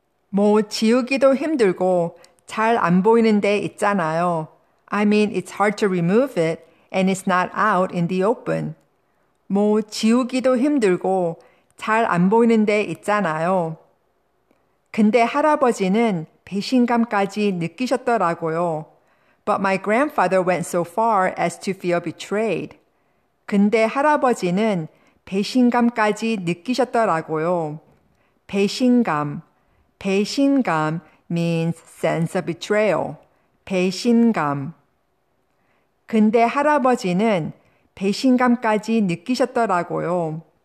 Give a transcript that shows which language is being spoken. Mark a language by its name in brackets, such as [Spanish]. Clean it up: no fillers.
[Korean] 뭐 지우기도 힘들고 잘 안 보이는데 있잖아요. [English] I mean, it's hard to remove it and it's not out in the open. [Korean] 뭐 지우기도 힘들고 잘 안 보이는데 있잖아요. 근데 할아버지는 배신감까지 느끼셨더라고요. [English] But my grandfather went so far as to feel betrayed. [Korean] 근데 할아버지는 배신감까지 느끼셨더라고요. [English] 배신감. 배신감 means sense of betrayal. [Korean] 배신감. 근데 할아버지는 배신감까지 느끼셨더라고요.